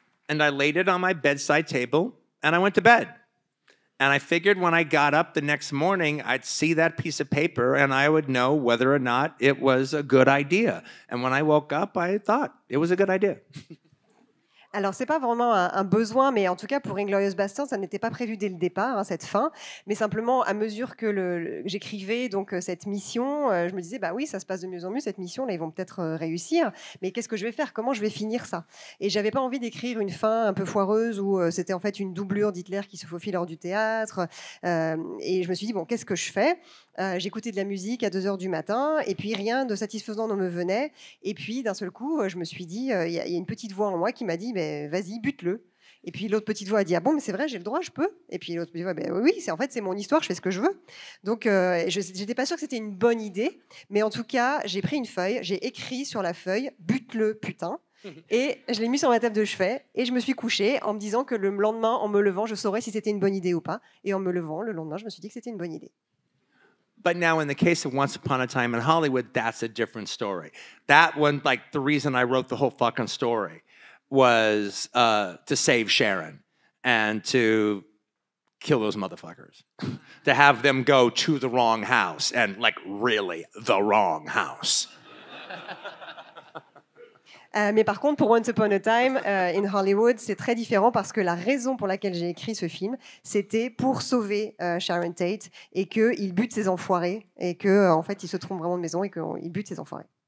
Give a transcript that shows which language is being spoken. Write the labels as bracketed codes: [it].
[en] And I laid it on my bedside table and I went to bed. And I figured when I got up the next morning, I'd see that piece of paper and I would know whether or not it was a good idea. And when I woke up, I thought it was a good idea. [fr] Alors, ce n'est pas vraiment un besoin, mais en tout cas, pour Inglourious Basterds, ça n'était pas prévu dès le départ, hein, cette fin. Mais simplement, à mesure que j'écrivais donc, cette mission, je me disais, bah oui, ça se passe de mieux en mieux, cette mission, là, ils vont peut-être réussir. Mais qu'est-ce que je vais faire? Comment je vais finir ça? Et je n'avais pas envie d'écrire une fin un peu foireuse où c'était en fait une doublure d'Hitler qui se faufile hors du théâtre. Et je me suis dit, bon, qu'est-ce que je fais? J'écoutais de la musique à 2h du matin, et puis rien de satisfaisant ne me venait. Et puis, d'un seul coup, je me suis dit, il y a une petite voix en moi qui m'a dit, mais vas-y, bute-le. Et puis l'autre petite voix a dit, ah bon, mais c'est vrai, j'ai le droit, je peux. Et puis l'autre petite voix, bah, oui, c'est, en fait, c'est mon histoire, je fais ce que je veux. Donc, j'étais pas sûre que c'était une bonne idée, mais en tout cas, j'ai pris une feuille, j'ai écrit sur la feuille, bute-le, putain. Et je l'ai mis sur ma table de chevet, et je me suis couchée en me disant que le lendemain, en me levant, je saurais si c'était une bonne idée ou pas. Et en me levant, le lendemain, je me suis dit que c'était une bonne idée. [en] But now in the case of Once Upon a Time in Hollywood, that's a different story. That one, like, the reason I wrote the whole fucking story was to save Sharon and to kill those motherfuckers. To have them go to the wrong house and, like, really the wrong house. [fr] Mais par contre, pour Once Upon a Time in Hollywood, c'est très différent parce que la raison pour laquelle j'ai écrit ce film, c'était pour sauver Sharon Tate et qu'il bute ses enfoirés et qu'en en fait, il se trompe vraiment de maison et qu'il bute ses enfoirés.